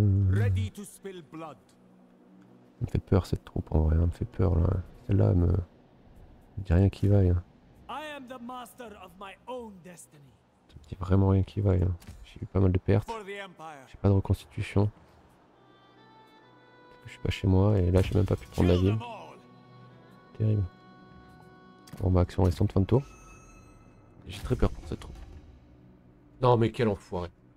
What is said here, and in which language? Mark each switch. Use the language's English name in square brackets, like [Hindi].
[English] Ready to spill blood. [French] Ça me fait peur cette troupe en vrai, ça me fait peur là. Celle-là me... Ça me dit rien qui vaille. [English] I am the master of my own destiny. [French] Ça me dit vraiment rien qui vaille. J'ai eu pas mal de pertes. J'ai pas de reconstitution. Je suis pas chez moi et là j'ai même pas pu prendre la ville. Terrible. Bon bah action restante fin de tour. J'ai très peur pour cette troupe. Non mais quel enfoiré.